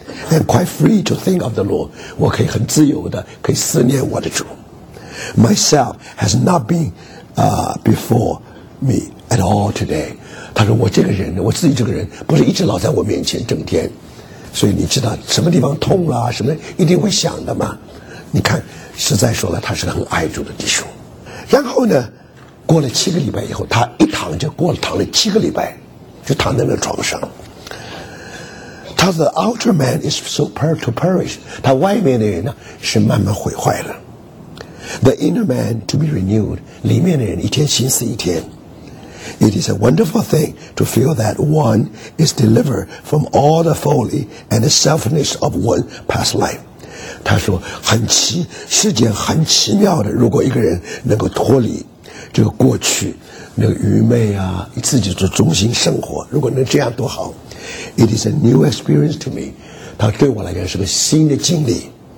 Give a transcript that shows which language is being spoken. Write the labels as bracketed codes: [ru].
[en] I'm quite free to think of the Lord. [zh] 我可以很自由的可以思念我的主。 [en] Myself has not been before me at all today. [zh] 他说我这个人，我自己这个人不是一直老在我面前整天，所以你知道什么地方痛了什么一定会想的嘛。你看，实在说了，他是很爱主的弟兄。然后呢，过了七个礼拜以后，他一躺就过了，躺了七个礼拜就躺在那床上。他的 [en] outer man is so to perish， [zh] 他外面的人呢是慢慢毁坏了。 [en] The inner man to be renewed， [zh] 里面的人一天心思一天。 [en] It is a wonderful thing to feel that one is delivered from all the folly and the selfishness of one past life。 [zh] 他说很奇，世间很奇妙的，如果一个人能够脱离这个过去那个愚昧啊，自己做中心生活，如果能这样多好。 [en] It is a new experience to me. [zh] 它对我来讲是个新的经历。